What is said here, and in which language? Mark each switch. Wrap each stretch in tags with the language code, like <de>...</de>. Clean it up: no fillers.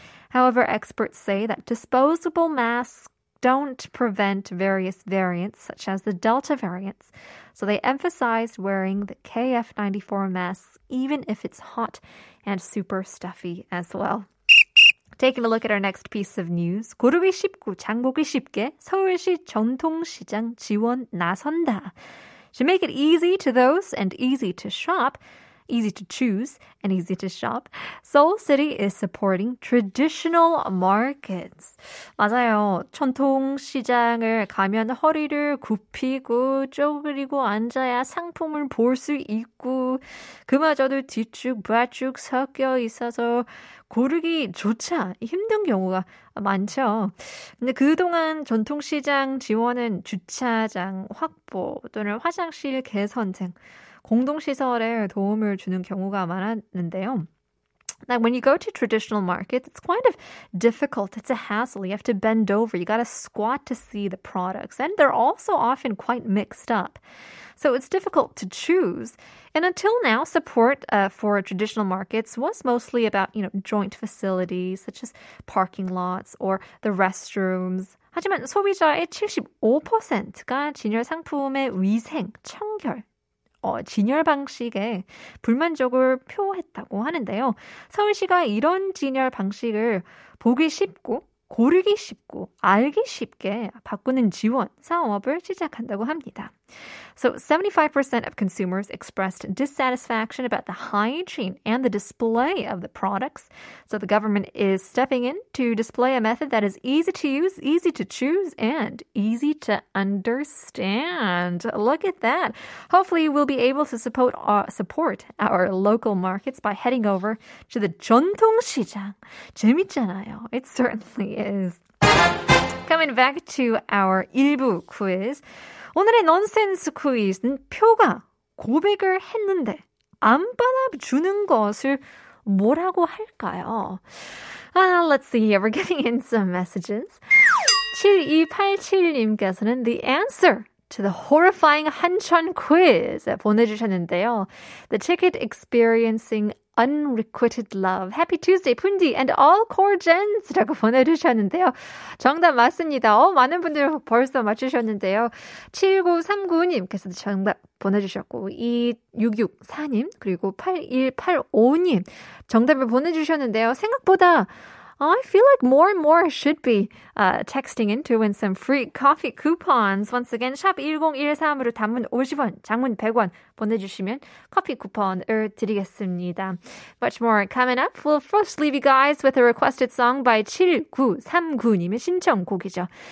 <en>However, experts say that disposable masks don't prevent various variants such as the Delta variants. So they emphasized wearing the KF94 masks even if it's hot and super stuffy as well. Taking a look at our next piece of news.</en> <ko>고르기 쉽고 장보기 쉽게 서울시 전통시장 지원 나선다.</ko> <en>To make it easy to those and easy to shop, easy to choose and easy to shop, Seoul City is supporting traditional markets.</en> <ko>맞아요. 전통시장을 가면 허리를 굽히고 쪼그리고 앉아야 상품을 볼 수 있고 그마저도 뒤축, 좌축 섞여 있어서 고르기조차 힘든 경우가 많죠. 근데 그동안 전통시장 지원은 주차장 확보 또는 화장실 개선 등 공동시설에 도움을 주는 경우가 많았는데요.</ko> <en>Now, when you go to traditional markets, it's kind of difficult. It's a hassle. You have to bend over. You got to squat to see the products. And they're also often quite mixed up. So it's difficult to choose. And until now, support for traditional markets was mostly about, you know, joint facilities, such as parking lots or the restrooms.</en> <ko>하지만 소비자의 75%가 진열 상품의 위생, 청결, 진열 방식에 불만족을 표했다고 하는데요. 서울시가 이런 진열 방식을 보기 쉽고 고르기 쉽고 알기 쉽게 바꾸는 지원 사업을 시작한다고 합니다.</ko> <en>So 75% of consumers expressed dissatisfaction about the hygiene and the display of the products. So the government is stepping in to display a method that is easy to use, easy to choose, and easy to understand. Look at that. Hopefully we'll be able to support our local markets by heading over to the 전통시장.</en> <ko>재밌잖아요.</ko> <en>It certainly is. Coming back to our 일부 quiz.</en> <ko>오늘의 넌센스 퀴즈는 표가 고백을 했는데 안 받아주는 것을 뭐라고 할까요?</ko> <en>Let's see here. We're getting in some messages.</en> <ko>7287님께서는</ko> <en>the answer to the horrifying</en> <ko>한천 퀴즈 보내주셨는데요.</ko> <en>The ticket experiencing unrequited love. Happy Tuesday, 푼디 and all core gens</en> <ko>라고 보내주셨는데요. 정답 맞습니다. 많은 분들 벌써 맞추셨는데요. 7939님께서도 정답 보내주셨고 2664님 그리고 8185님 정답을 보내주셨는데요. 생각보다</ko> <en>I feel like more and more should be texting in to win some free coffee coupons.</en> <ko>Once again, #1013으로 단문 50원, 장문 100원 보내주시면 커피 쿠폰을 드리겠습니다.</ko> <en>Much more coming up. We'll first leave you guys with a requested song by</en> <ko>7939님의 신청곡이죠.</ko>